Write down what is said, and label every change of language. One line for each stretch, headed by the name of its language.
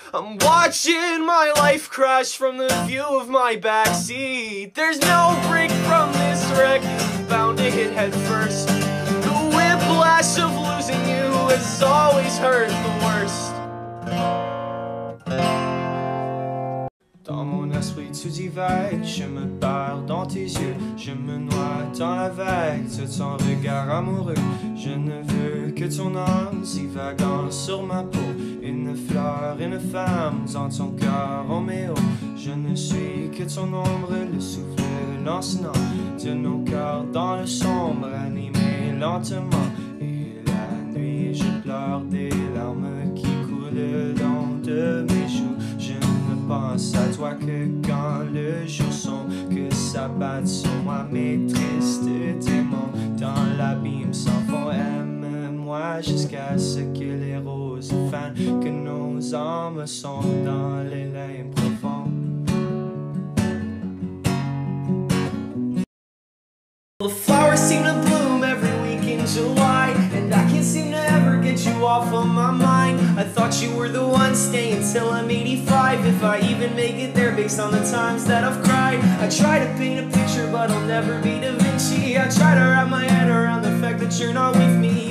English: I'm watching my life crash from the view of my backseat. There's no break from this wreck, bound to hit head first. The whiplash of losing you has always hurt the worst.
French: Dans mon esprit tout divague, je me perds dans tes yeux, je me noie dans la vague de ton regard amoureux. Je ne veux que ton âme divaguant sur ma peau, une fleur, une femme dans ton cœur Roméo. Je ne suis que ton ombre, le souffle lancinant de nos cœurs dans le sombre, animé lentement. Et la nuit je pleure des larmes qui coulent le long de mes joues. Pense à toi que quand le jour sombre, que ça batte sur moi mes tristes démons. Dans l'abîme sans fond, aime-moi jusqu'à ce que les roses fanent, que nos âmes sont dans les limbes profonds.
English: The flowers seem to bloom every week in July, and I can't seem to ever get you off of my mind. I thought you were the one staying till I'm 85, if I even make it there based on the times that I've cried. I try to paint a picture, but I'll never be Da Vinci. I try to wrap my head around the fact that you're not with me.